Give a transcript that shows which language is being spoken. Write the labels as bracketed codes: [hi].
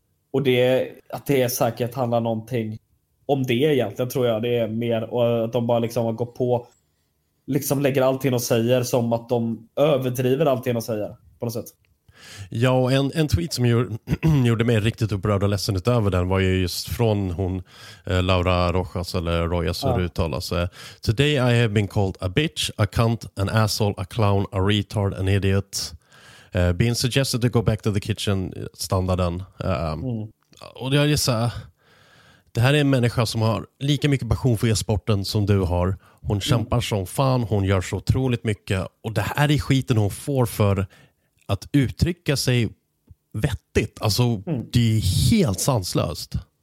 [sv] Och det, att det är säkert handlar någonting om det egentligen, tror jag. Det är mer och att de bara liksom har gått på, liksom lägger allting och säger som att de överdriver allting och säger på något sätt. Ja, och en tweet som gjorde mig riktigt upprörd och ledsen utöver den var ju just från hon, Laura Rojas eller Rojas, hur uttalar sig. [en] Today I have been called a bitch, a cunt, an asshole, a clown, a retard, an idiot. Being suggested to go back to the kitchen, standarden. [sv] Och jag gissar, det här är en människa som har lika mycket passion för e-sporten som du har. Hon kämpar som fan, hon gör så otroligt mycket. Och det här är skiten hon får för att uttrycka sig vettigt. Alltså, det är helt sanslöst.